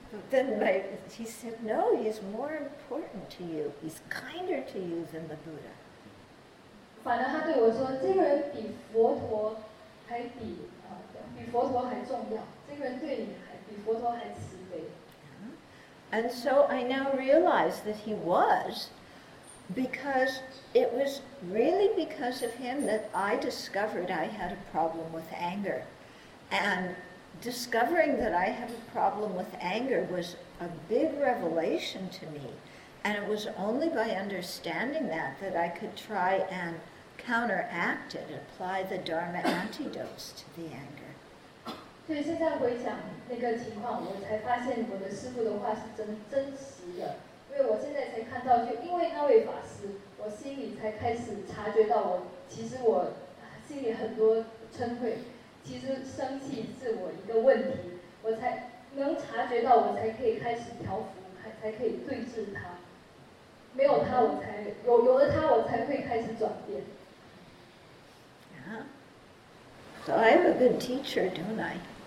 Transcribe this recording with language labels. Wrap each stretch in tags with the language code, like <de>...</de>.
<en>Then he said, "No, he's more important to you. He's kinder to you than the Buddha."</en> <zh>反而他对我说，这个人比佛陀还比佛陀还重要。这个人对你还比佛陀还慈悲。</zh> <en>And so I now realize that he was, because it was really because of him that I discovered I had a problem with anger. And discovering that I have a problem with anger was a big revelation to me. And it was only by understanding that that I could try and counteract it, apply the Dharma antidotes to the anger.</en> <zh>所以现在回想那个情况，我才发现我的师父的话是真实的。因为我现在才看到，就因为那位法师，我心里才开始察觉到我其实我心里很多嗔恚，其实生气是我一个问题，我才能察觉到，我才可以开始调伏，才可以对治它。没有它，我才有了它，我才会开始转变。</zh> <en>So I have a good teacher, don't I?</en>